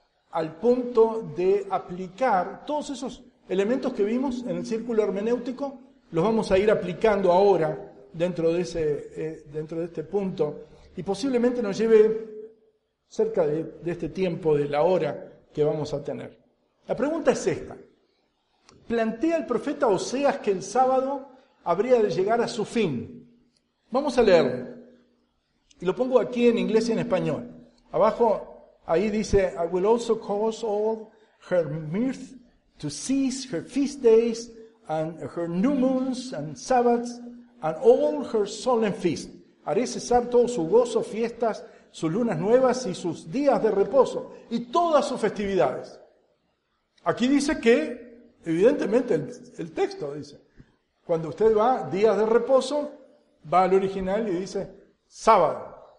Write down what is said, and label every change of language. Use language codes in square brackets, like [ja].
[es] al punto de aplicar todos esos elementos que vimos en el círculo hermenéutico, los vamos a ir aplicando ahora dentro de este punto y posiblemente nos lleve cerca de este tiempo de la hora que vamos a tener. La pregunta es esta. ¿Plantea el profeta Oseas que el sábado habría de llegar a su fin? Vamos a leerlo. Y lo pongo aquí en inglés y en español. Abajo, ahí dice, [en] I will also cause all her mirth to cease, her feast days, and her new moons, and sabbaths, and all her solemn feasts. [es] Haré cesar todo su gozo, fiestas, sus lunas nuevas y sus días de reposo, y todas sus festividades. Aquí dice que, evidentemente, el texto dice, cuando usted va, días de reposo, va al original y dice, sábado.